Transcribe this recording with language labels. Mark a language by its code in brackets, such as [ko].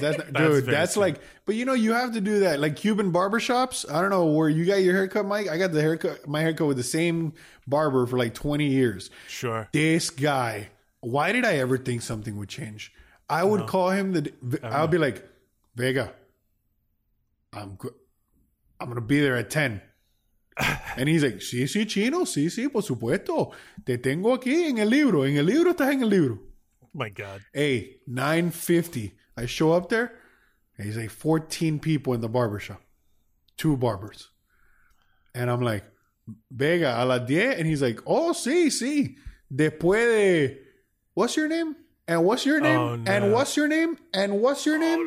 [en] That's but you know, you have to do that. Like Cuban barbershops, I don't know where you got your haircut, Mike. I got my haircut with the same barber for like 20 years. Sure. This guy, why did I ever think something would change? I would call him I'll be like, Vega, I'm going to be there at 10. And he's like, [es] sí, sí, chino, sí, sí, por supuesto. Te tengo aquí en el libro. En el libro estás en el libro. [en] My God. Hey, 9:50. I show up there. And he's like 14 people in the barbershop. 2 barbers. And I'm like, Vega, [es] a las 10? [en] And he's like, oh, [es] sí, sí. Después de... [en] What's your name? And what's your name? Oh, no. And what's your name? And what's your name?